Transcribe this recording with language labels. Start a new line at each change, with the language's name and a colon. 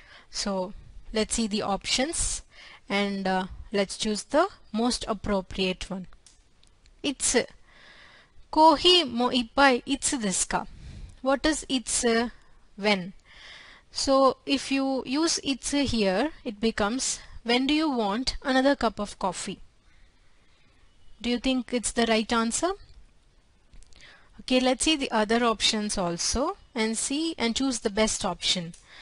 English: So, let's see the options and let's choose the most appropriate one.
Japanese: いつ? コーヒーもう一杯いつですか?
English: What is it's when? So, if you use it's here, it becomes, when do you want another cup of coffee? Do you think it's the right answer? Okay, let's see the other options also and see and choose the best option.